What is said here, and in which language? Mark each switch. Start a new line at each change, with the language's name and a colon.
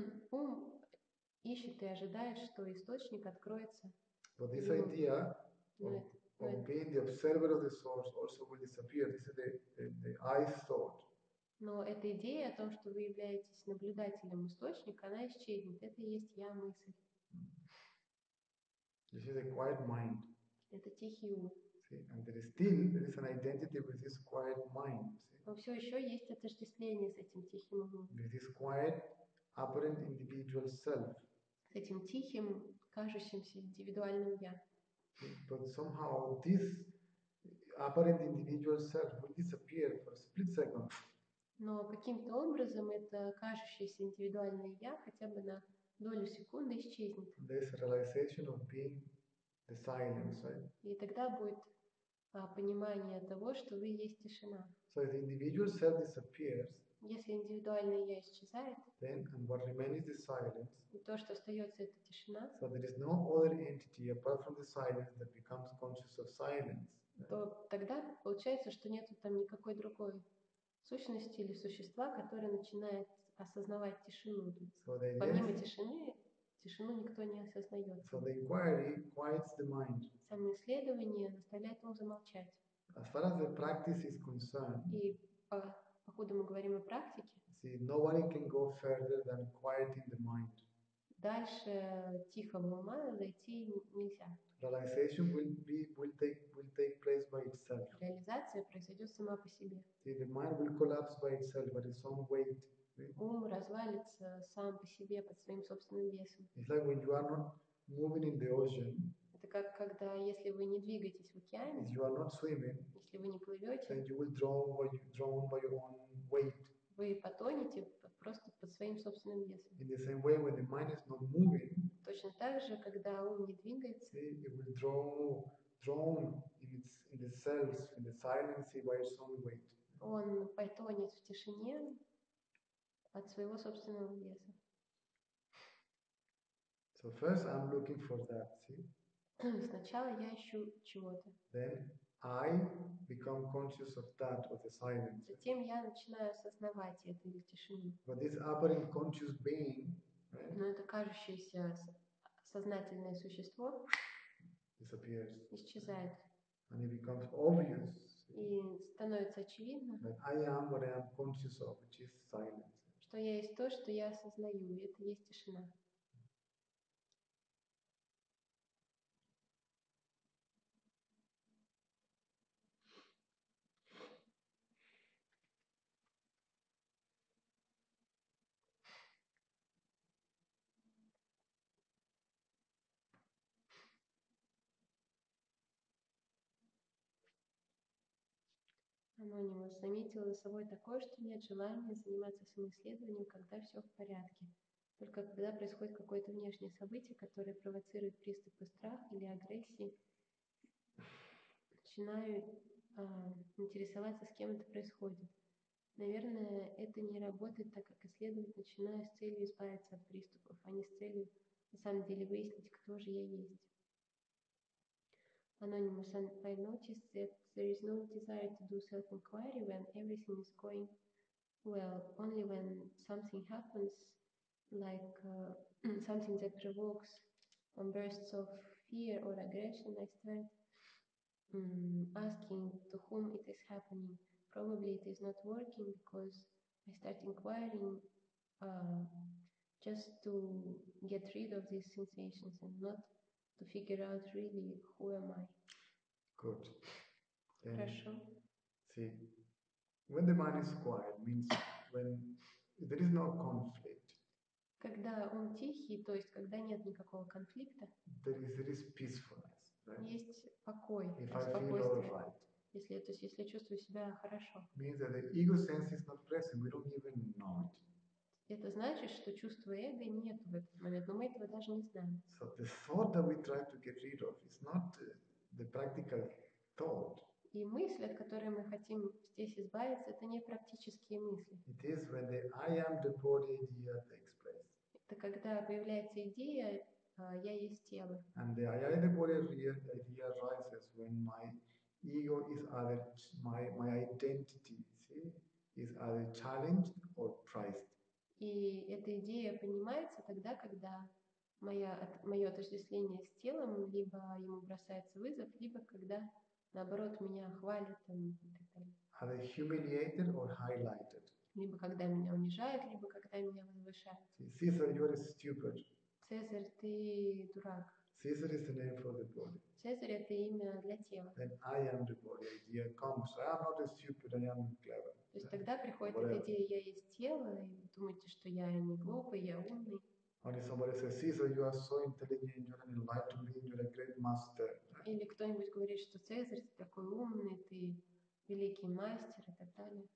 Russian: Ум ищет и ожидает, что источник откроется.
English: But this idea of being the observer of the source also will disappear. This is the I thought.
Russian: Но эта идея о том, что вы являетесь наблюдателем источника, она исчезнет. Это и есть я мысль.
English: This is a quiet mind.
Russian: Это тихий ум.
English: And there is an identity with this quiet mind. See?
Russian: Но все еще есть отождествление с этим тихим умом.
English: With this quiet, apparent individual self.
Russian: С этим тихим, кажущимся индивидуальным я.
English: But somehow this apparent individual self will disappear for a split second.
Russian: Но каким-то образом это кажущееся индивидуальное я хотя бы на долю секунды исчезнет.
English: This realization of being the silence, right?
Russian: И тогда будет понимание того, что вы есть тишина.
English: So if the individual self disappears,
Russian: если индивидуальное я исчезает,
English: then and what remains is the silence.
Russian: И то, что остается, это тишина.
English: So there is no other entity apart from the silence that becomes conscious of silence.
Russian: То тогда получается, что нету там никакой другой сущности или существа, которое начинает осознавать тишину. Помимо тишины. Тишину никто не осознает.
English: So the inquiry quiets the mind.
Russian: Само исследование заставляет ум замолчать.
English: As far as the practice is concerned.
Russian: И походу мы говорим о практике.
English: See, nobody can go further than quieting the mind.
Russian: Дальше тихого ума зайти нельзя.
English: Realization will take place by itself.
Russian: Реализация произойдет сама по себе.
English: See, the mind will collapse by itself, but its own weight.
Russian: Ум развалится сам по себе под своим собственным весом.
English: It's like when you are not moving in the ocean.
Russian: Это как когда, если вы не двигаетесь в океане.
English: If you are not swimming.
Russian: Если вы не плывете.
English: Then you will drown by your own weight.
Russian: Вы потонете просто под своим собственным весом.
English: In the same way, when the mind is not moving.
Russian: Точно так же, когда ум не двигается.
English: It will drown in itself, in the silence, by its own weight.
Russian: Он потонет в тишине. От своего собственного веса.
English: So first I'm looking for that, see?
Russian: Сначала я ищу чего-то.
English: Then I become conscious of that, of the silence.
Russian: Затем я начинаю осознавать это или тишину.
English: But this apparent conscious being, right?
Russian: Но это кажущееся сознательное существо
English: disappears.
Russian: Исчезает.
English: And it becomes obvious.
Russian: И становится очевидно.
English: That I am what I am conscious of, which is silence.
Russian: Что я есть то, что я осознаю, и это есть тишина. Анонимус заметил за собой такое, что нет желания заниматься самоисследованием, когда все в порядке. Только когда происходит какое-то внешнее событие, которое провоцирует приступы страха или агрессии, начинаю интересоваться, с кем это происходит. Наверное, это не работает, так как исследовать начинаю с целью избавиться от приступов, а не с целью на самом деле выяснить, кто же я есть.
English: Анонимус, I noticed that there is no desire to do self-inquiry when everything is going well. Only when something happens, like something that provokes bursts of fear or aggression, I start asking to whom it is happening. Probably it is not working because I start inquiring just to get rid of these sensations and not to figure out really who am I. Good.
Russian: Хорошо.
English: See, when the mind is quiet means when there is no conflict.
Russian: Когда он тихий, то есть когда нет никакого конфликта.
English: There is peacefulness. Right?
Russian: Есть покой.
English: If I feel all right.
Russian: Если, то есть, если я чувствую себя хорошо.
English: Means that the ego sense is not present. We don't even know it.
Russian: Это значит, что чувства эго нет в этот момент, но мы этого даже не знаем.
English: So the thought that we try to get rid of is not the practical thought.
Russian: И мысль, от которой мы хотим здесь избавиться, это не практические мысли.
English: It is when the I am the body idea takes place.
Russian: Это когда появляется идея я есть тело.
English: And the I am the body idea arises when my ego is either my identity, see, is either challenged or prized.
Russian: И эта идея понимается тогда, когда мое отождествление с телом либо ему бросается вызов, либо когда наоборот меня хвалят и так далее.
English: Either humiliated or highlighted.
Russian: Либо когда меня унижают, либо когда меня возвышают.
English: Caesar, you are stupid.
Russian: Цезарь, ты дурак.
English: Caesar is the name for the body.
Russian: Цезарь это имя для тела.
English: Then I am the body idea comes. I am not a stupid, I am clever.
Russian: То есть тогда приходит эта идея, я есть тело, и вы думаете, что я не глупый, я умный.
English: Only somebody says, Caesar, you are so intelligent, you are an enlightened being, you are a great master.
Russian: Или кто-нибудь говорит, что Цезарь, ты такой умный, ты великий мастер, и так далее.